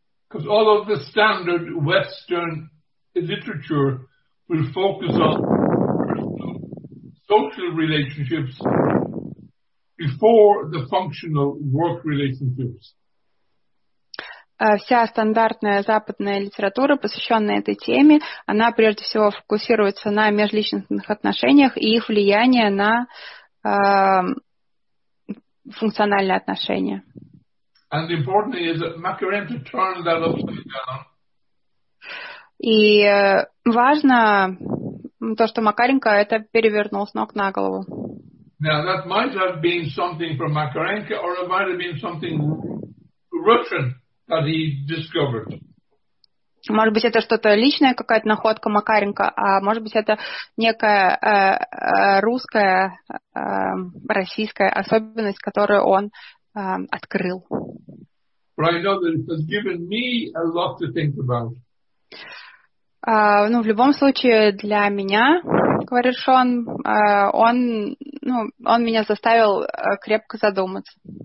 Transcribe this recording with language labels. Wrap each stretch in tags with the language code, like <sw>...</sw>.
<en>Because all of the standard Western literature will focus on personal, social relationships before the functional work relationships.</en> <ru>Вся стандартная западная литература, посвященная этой теме, она прежде всего фокусируется на межличностных отношениях и их влияние на функциональные отношения.</ru> <en>And the important thing is that Макаренко turned that upside down.</en> <ru>И важно то, что Макаренко это перевернул с ног на голову.</ru> <en>Now that might have been something from Макаренко, or it might have been something Russian. That he discovered.</en> <ru>Может быть, это что-то личное, какая-то находка Макаренко, а может быть, это некая русская, российская особенность, которую он открыл.</ru> <en>But I know that it has given me a lot to think about.</en> <ru>В любом случае, для меня, говорит Шон, он меня заставил крепко задуматься.</ru>